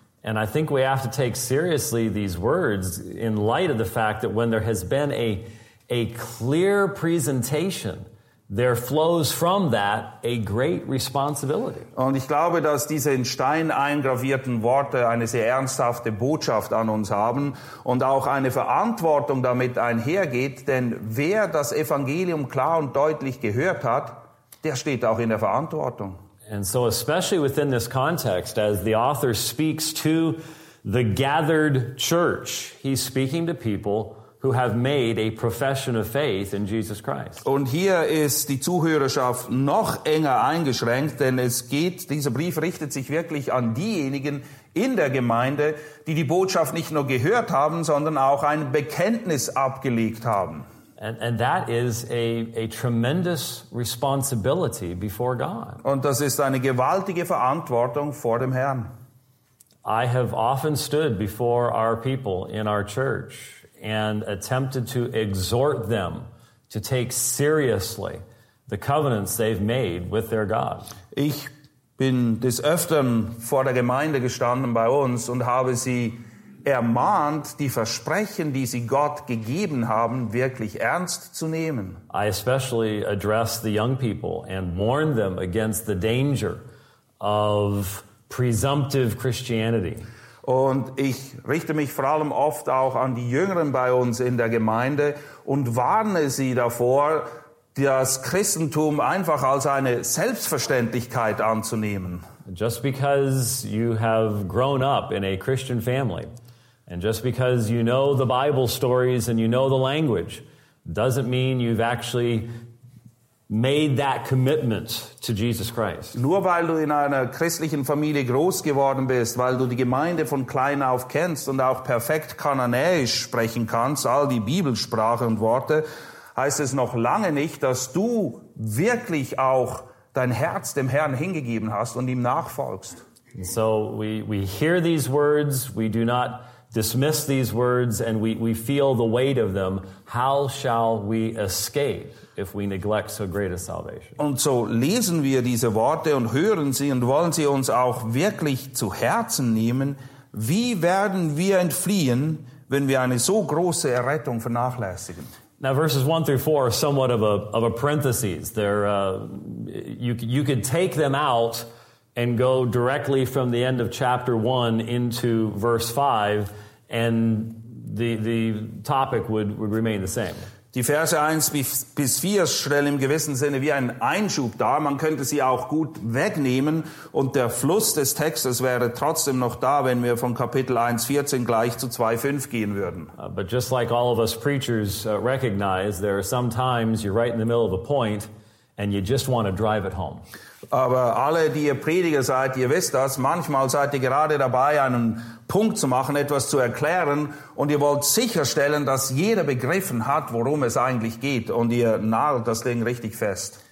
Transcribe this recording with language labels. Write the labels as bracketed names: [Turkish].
[English] And I think we have to take seriously these words in light of the fact that when there has been a clear presentation, there flows from that a great responsibility. [German] Und ich glaube, dass diese in Stein eingravierten Worte eine sehr ernsthafte Botschaft an uns haben und auch eine Verantwortung damit einhergeht, denn wer das Evangelium klar und deutlich gehört hat, der steht auch in der Verantwortung. [English] And so especially within this context, as the author speaks to the gathered church, he's speaking to people who have made a profession of faith in Jesus Christ. [German] Und hier ist die Zuhörerschaft noch enger eingeschränkt, denn es geht, dieser Brief richtet sich wirklich an diejenigen in der Gemeinde, die die Botschaft nicht nur gehört haben, sondern auch ein Bekenntnis abgelegt haben. [English] And that is a tremendous responsibility before God. [German] Und das ist eine gewaltige Verantwortung vor dem Herrn. [English] I have often stood before our people in our church and attempted to exhort them to take seriously the covenants they've made with their God. [German] Ich bin des Öfteren vor der Gemeinde gestanden bei uns und habe sie ermahnt, die Versprechen, die sie Gott gegeben haben, wirklich ernst zu nehmen. [English] I especially address the young people and warn them against the danger of presumptive Christianity. [German] Und ich richte mich vor allem oft auch an die Jüngeren bei uns in der Gemeinde und warne sie davor, das Christentum einfach als eine Selbstverständlichkeit anzunehmen. [English] Just because you have grown up in a Christian family and just because you know the Bible stories and you know the language doesn't mean you've actually made that commitment to Jesus Christ. [German] Nur weil du in einer christlichen Familie groß geworden bist, weil du die Gemeinde von klein auf kennst und auch perfekt Kananäisch sprechen kannst, all die Bibelsprache und Worte, heißt es noch lange nicht, dass du wirklich auch dein Herz dem Herrn hingegeben hast und ihm nachfolgst. [English] And so we hear these words, we do not dismiss these words, and we feel the weight of them. How shall we escape if we neglect so great a salvation? [German] Und so lesen wir diese Worte und hören sie und wollen sie uns auch wirklich zu Herzen nehmen. Wie werden wir entfliehen, wenn wir eine so große Errettung vernachlässigen? [English] Now verses 1 through 4 are somewhat of a parenthesis. They're you could take them out and go directly from the end of chapter 1 into verse 5 and the topic would remain the same. [German] Die Verse 1 bis 4 stellen im gewissen Sinne wie einen Einschub dar. Man könnte sie auch gut wegnehmen und der Fluss des Textes wäre trotzdem noch da, wenn wir von Kapitel 1:14 gleich zu 2:5 gehen würden. [English] But just like all of us preachers recognize, there are some times you're right in the middle of a point and you just want to drive it home. [German] Aber alle, die ihr Prediger seid, ihr wisst das, manchmal seid ihr gerade dabei, einen Punkt zu machen, etwas zu erklären und ihr wollt sicherstellen, dass jeder begriffen hat, worum es eigentlich geht und ihr nagelt das Ding richtig fest.